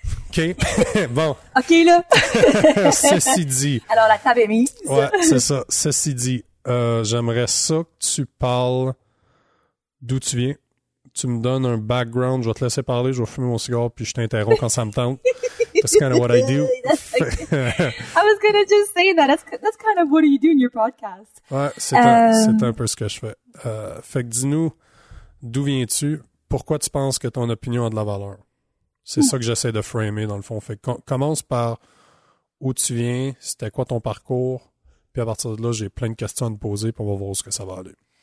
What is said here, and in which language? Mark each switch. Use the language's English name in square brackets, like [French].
[French] OK? Bon. OK, là. Ceci dit. Alors, la table est mise. Ouais, c'est ça. Ceci dit, j'aimerais ça que tu parles d'où tu viens. Tu me donnes un background, je vais te laisser parler, je vais fumer mon cigare, puis je t'interromps quand ça me tente. [English] That's kind of what I do. I was going to just say that. That's kind of what you do in your podcast. [French] Ouais, c'est un peu ce que je fais. Fait que dis-nous, d'où viens-tu? Pourquoi tu penses que ton opinion a de la valeur? C'est ça que j'essaie de framer, dans le fond. Fait que commence par où tu viens, c'était quoi ton parcours, puis à partir de là, j'ai plein de questions à te poser, puis on va voir où ça va aller.